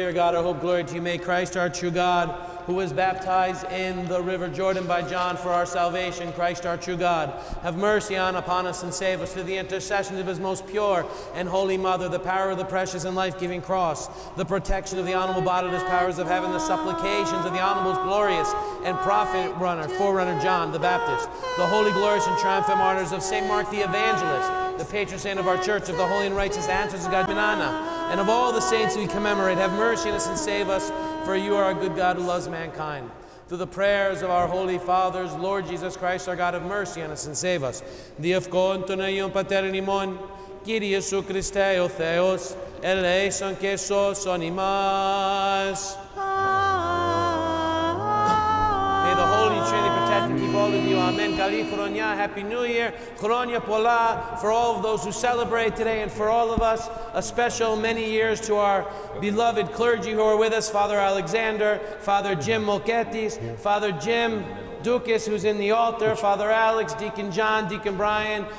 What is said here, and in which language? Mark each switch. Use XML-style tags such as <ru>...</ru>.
<en>to your God, our hope, glory to you. May Christ, our true God, who was baptized in the River Jordan by John for our salvation, Christ our true God, have mercy on upon us and save us through the intercession of his most pure and holy mother, the power of the precious and life-giving cross, the protection of the honorable bodiless powers of heaven, the supplications of the honorable glorious and prophet runner, forerunner John the Baptist, the holy glorious and triumphant martyrs of St. Mark the Evangelist, the patron saint of our church, of the holy and righteous ancestors of God, Benana, and of all the saints we commemorate, have mercy on us and save us, for you are a good God who loves mankind. Through the prayers of our holy fathers, Lord Jesus Christ, our God, have mercy on us and save us.</en> <el>Διευκόντων Αγίων Πατέρων ημών, Κύριε Ιησού Χριστέ ο Θεός, ελέησον και σώσον ημάς.</el> <en>May the Holy Trinity protect and keep all of you. Amen.</en> <el>Καλή χρονιά,</el> <en>Happy New Year,</en> <el>χρόνια πολλά</el> <en>for all of those who celebrate today, and for all of us, a special many years to our beloved clergy who are with us, Father Alexander, Father Jim Mulketis, Father Jim Dukas, who's in the altar, Father Alex, Deacon John, Deacon Brian.</en>